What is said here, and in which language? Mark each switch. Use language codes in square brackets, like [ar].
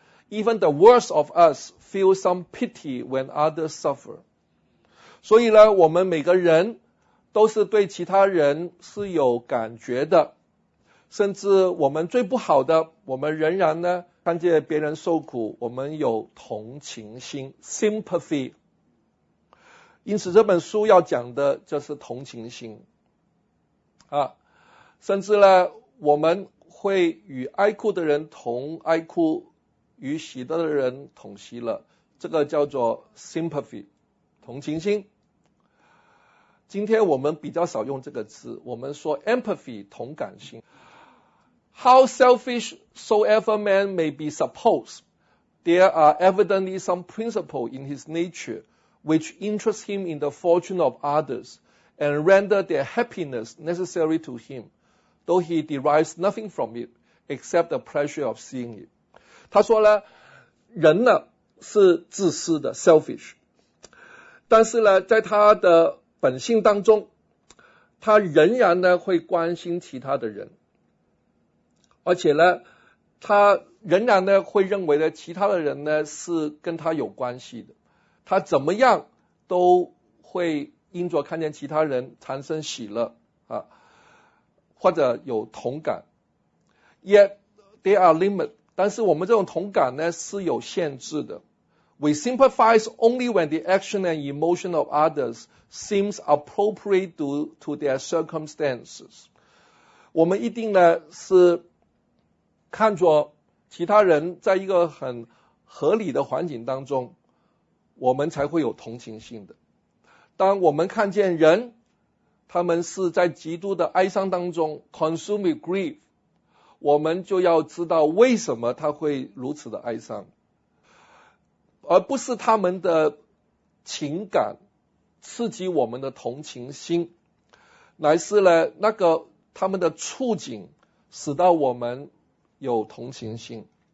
[en] Even the worst of us feel some pity when others suffer. [zh] 所以呢，我们每个人都是对其他人是有感觉的，甚至我们最不好的，我们仍然呢看见别人受苦，我们有同情心 sympathy。因此这本书要讲的就是同情心啊，甚至呢我们会与哀哭的人同哀哭，与喜乐的人同喜乐，这个叫做 sympathy， 同情心。今天我们比较少用这个词，我们说 empathy， 同感心。 [en] How selfish soever man may be supposed, there are evidently some principle in his nature which interests him in the fortune of others and render their happiness necessary to him, though he derives nothing from it except the pleasure of seeing it. [zh] 他说呢，人呢是自私的 selfish， 但是呢在他的本性当中，他仍然呢会关心其他的人，而且呢他仍然呢会认为呢其他的人呢是跟他有关系的，他怎么样都会因着看见其他人产生喜乐啊，或者有同感。 [en] Yet there are limits， [zh] 但是我们这种同感呢是有限制的。 [en] We sympathize only when the action and emotion of others seems appropriate to their circumstances. [zh] 我们一定呢是看着其他人在一个很合理的环境当中，我们才会有同情心的。当我们看见人他们是在极度的哀伤当中 [en] consumed with grief， [zh] 我们就要知道为什么他会如此的哀伤，而不是他们的情感刺激我们的同情心，乃是呢那个他们的处境使到我们有同情心。